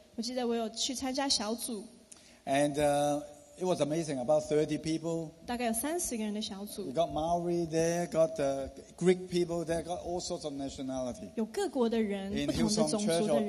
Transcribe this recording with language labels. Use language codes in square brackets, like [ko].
[zh] 我记得我有去参加小组。 [en] And it was amazing. About 30 people. [zh] 大概有30个人的小组。 [en] We got Maori there, got Greek people there, got all sorts of nationality. [zh] 有各国的人，不同的种族的人。